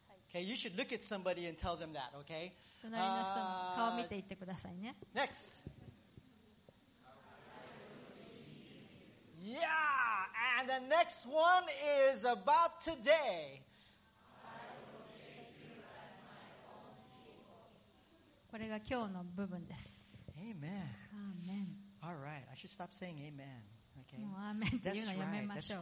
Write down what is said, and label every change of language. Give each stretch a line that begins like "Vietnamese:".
English: Okay, you should look at somebody and tell them that, okay?
Japanese: 隣の人の顔を見て言ってくださいね。
English: Next. Yeah, and the next one is about today.
Japanese: これが今日の部分です。
English: Amen. Amen. All right, I should stop saying amen. Okay.
Japanese: もうアーメンっていうのやめましょう。